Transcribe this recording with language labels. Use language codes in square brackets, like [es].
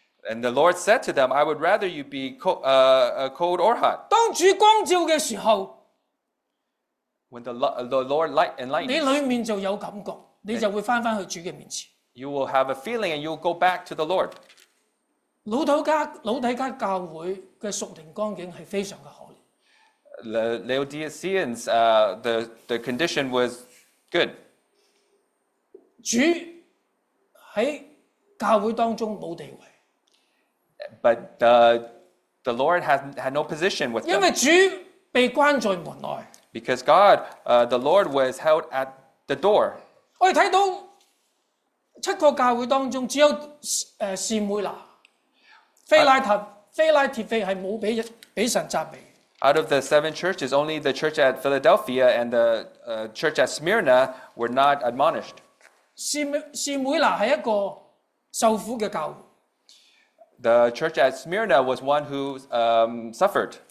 [en] and the Lord said to them, I would rather you be cold or hot. [zh] 当主光照的时候, [en] when the Lord enlightens, you will have a feeling and you will go back to the Lord. [zh] 老底加教会的属灵光景是非常的可怜。 [en] The Laodiceans, the condition was good. [zh] 主在教会当中没有地位。 [en] But the Lord had no position with them. [zh] 因为主被关在门外。 [en] Because God, the Lord was held at the door. [zh] 我们看到七个教会当中只有示妹拿。 [en] Out of the seven churches, only the church at Philadelphia and the church at Smyrna were not admonished. The church at Smyrna was one who suffered.